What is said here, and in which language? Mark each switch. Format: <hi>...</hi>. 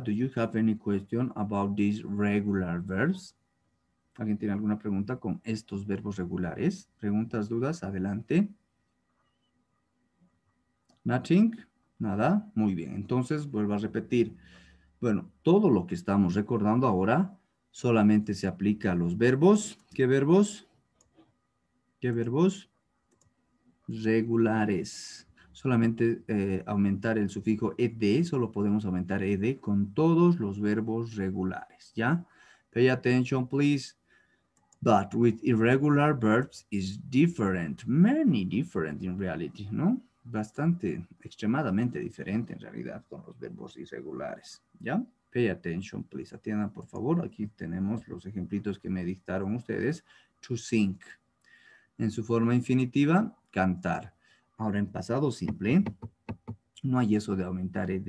<en>Do you have any question about these regular verbs?</en> <es>¿Alguien tiene alguna pregunta con estos verbos regulares? Preguntas, dudas, adelante.</es> <en>Nothing,</en> <es>nada, muy bien. Entonces, vuelvo a repetir. Bueno, todo lo que estamos recordando ahora solamente se aplica a los verbos. ¿Qué verbos? ¿Qué verbos? Regulares. Solamente aumentar el sufijo ed, solo podemos aumentar ed con todos los verbos regulares, ¿ya?</es> <en>Pay attention, please. But with irregular verbs is different, many different in reality, ¿no?</en> <es>Bastante, extremadamente diferente en realidad con los verbos irregulares, ¿ya?</es> <en>Pay attention, please.</en> <es>Atiendan, por favor. Aquí tenemos los ejemplitos que me dictaron ustedes. To sing. En su forma infinitiva, cantar. Ahora, en pasado simple, no hay eso de aumentar ed.</es>